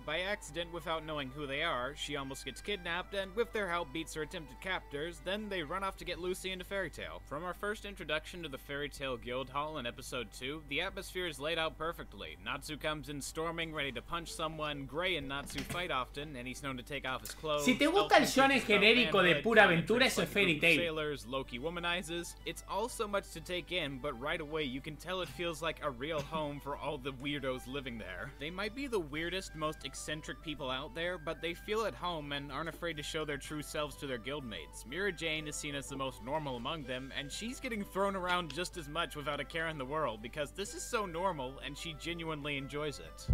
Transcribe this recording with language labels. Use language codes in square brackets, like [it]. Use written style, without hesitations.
[en] By accident, without knowing who they are, she almost gets kidnapped, and with their help beats her attempted captors, then they run off to get Lucy into Fairy Tail. From our first introduction to the Fairy Tail Guild Hall in Episode 2, the atmosphere is laid out perfectly. Natsu comes in storming, ready to punch someone. Gray and Natsu fight often, and he's known to take off his clothes. [es] Si te gusta el shonen genérico de pura aventura, eso es Fairy Tail. [en] Loki womanizes. It's all so much to take in, but right away you can tell it feels like a real home for all the weirdos living there. They might be the weirdest, most eccentric people out there, but they feel at home and aren't afraid to show their true selves to their guildmates. Mira Jane is seen as the most normal among them, and she's getting thrown around just as much without a care in the world because this is so normal and she genuinely enjoys it.